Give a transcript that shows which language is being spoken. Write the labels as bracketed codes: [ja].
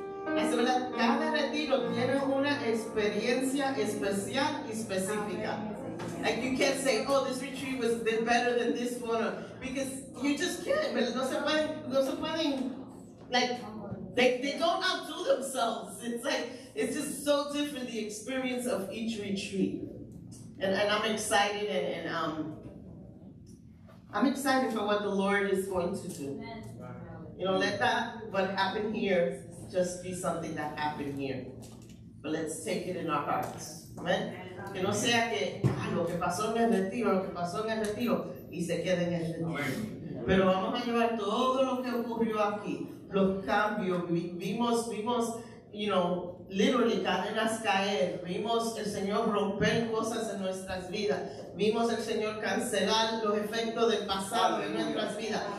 [es] Cada retiro tiene una experiencia especial y específica. [en] Like, you can't say, oh, this retreat was better than this one, because you just can't. But [es] no se pueden, [en] like, they don't outdo themselves. It's like, it's just so different, the experience of each retreat. And I'm excited, and I'm excited for what the Lord is going to do. You know, let that, what happened here, just be something that happened here. But let's take it in our hearts. Amen. [es] Que no sea que lo que pasó en el retiro y se quede en el retiro. Pero vamos a llevar todo lo que ocurrió aquí, los cambios, vimos, [en] you know, literally [es] cadenas caer, vimos el Señor romper cosas en nuestras vidas, vimos el Señor cancelar los efectos del pasado en nuestras vidas.